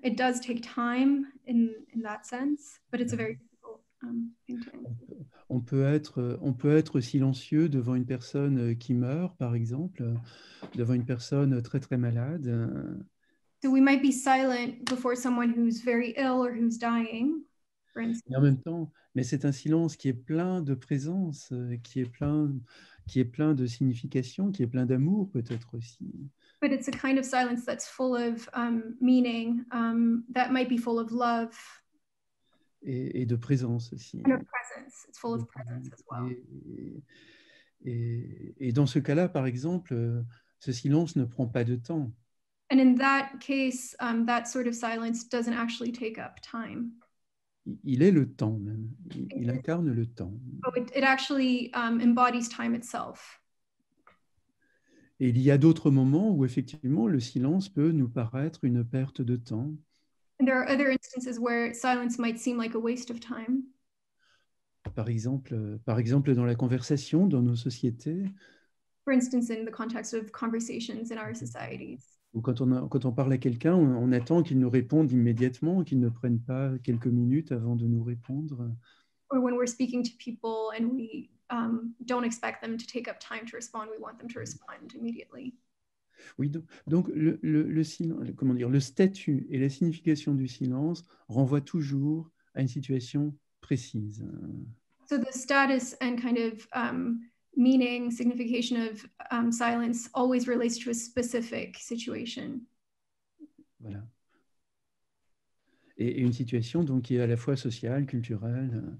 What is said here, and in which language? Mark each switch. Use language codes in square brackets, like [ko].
[en] It does take time in that sense, but it's a very difficult thing to answer. [fr] On peut être silencieux devant une personne qui meurt, par exemple, devant une personne très très malade. [en] So we might be silent before someone who's very ill or who's dying, for instance. [fr] Et en même temps, mais c'est un silence qui est plein de présence, qui est plein de signification, qui est plein d'amour peut-être aussi. [en] But it's a kind of silence that's full of meaning, that might be full of love. [fr] Et de présence aussi. [en] And of presence. It's full of presence as well. [fr] Et dans ce cas-là, par exemple, ce silence ne prend pas de temps. [en] And in that case, that sort of silence doesn't actually take up time. [fr] Il est le temps même. Il incarne le temps. [en] Oh, it actually embodies time itself. [fr] Et il y a d'autres moments où effectivement le silence peut nous paraître une perte de temps. [en] And there are other instances where silence might seem like a waste of time. [fr] Par exemple, dans la conversation dans nos sociétés. [en] For instance, in the context of conversations in our societies. [fr] Ou quand on parle à quelqu'un, on attend qu'il nous réponde immédiatement, qu'il ne prenne pas quelques minutes avant de nous répondre. [en] Or when we're speaking to people and we don't expect them to take up time to respond, we want them to respond immediately. [fr] Oui, donc le statut et la signification du silence renvoient toujours à une situation précise. [en] So the status and kind of meaning, signification of silence always relates to a specific situation. [fr] Voilà. Et une situation donc qui est à la fois sociale, culturelle.